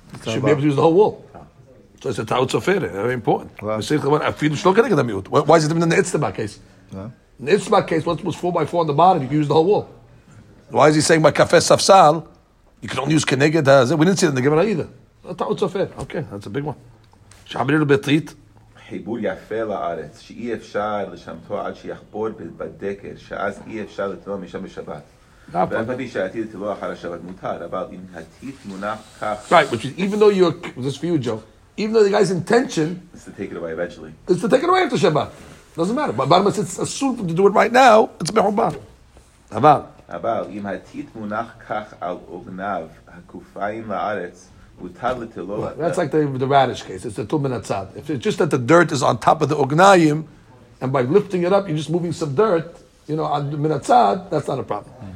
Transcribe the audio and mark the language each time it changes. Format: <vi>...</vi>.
<en>You should be able to use the whole wall. So it's a Ta'ut Sofer. Very important. Why is it in the Itzteba case? In the Itzma case, once it was 4x4 on the bottom, you can use the whole wall. Why is he saying by Kafes Safsal, you can only use Keneged Hazeh? We didn't see it in the Gemara either. Ta'ut Sofer. Okay, that's a big one. Shabiru Betrit.</en> <he>חיבור יפה לארץ, שאי אפשר לשמתו עד שיחבור בדקר, שאז אי אפשר לתלוע משם בשבת. ואף אחד שעתיד לתלוע אחר השבת מותר, אבל אם התית מונח כך...</he> <en>Right, which is, even though you're, this for you, Joe, even though the guy's intention... It's to take it away eventually. It's to take it away after Shabbat. Doesn't matter. But bottom of it, it's assumed to do it right now, it's מחובר.</en> <he>אבל... אבל אם התית מונח כך על אוגניו, הקופיים לארץ,</he> <en>That's like the radish case. It's the tumen atzad. If it's just that the dirt is on top of the ognayim, and by lifting it up, you're just moving some dirt, you know, on the minatzad, that's not a problem.</en>